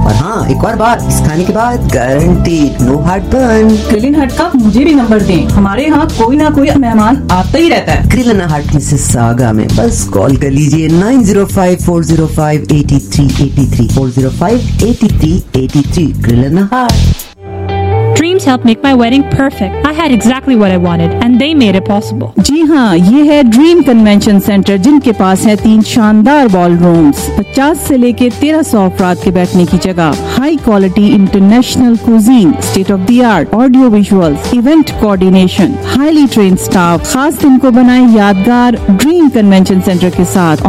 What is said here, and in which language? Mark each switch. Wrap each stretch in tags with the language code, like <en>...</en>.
<hi>और हाँ एक और बात, इस खाने के बाद</hi> <en>Guaranteed no heart burn.</en> <hi>किराना हट का मुझे भी नंबर दें, हमारे यहाँ कोई ना कोई मेहमान आता ही रहता है। किराना हट मिसेस सागा में, बस कॉल कर लीजिए 905-405-8383</hi> <en>Dreams helped make my wedding perfect. I had exactly what I wanted and they made it possible.</en> <hi>जी हाँ, ये है ड्रीम कन्वेंशन सेंटर जिनके पास है तीन शानदार बॉल रूम्स, 50 से लेके 1300 अफराद के बैठने की जगह, high quality international cuisine, state of the art audio visuals, event coordination, highly train staff, खास दिन को बनाए यादगार ड्रीम कन्वेंशन सेंटर के साथ।</hi>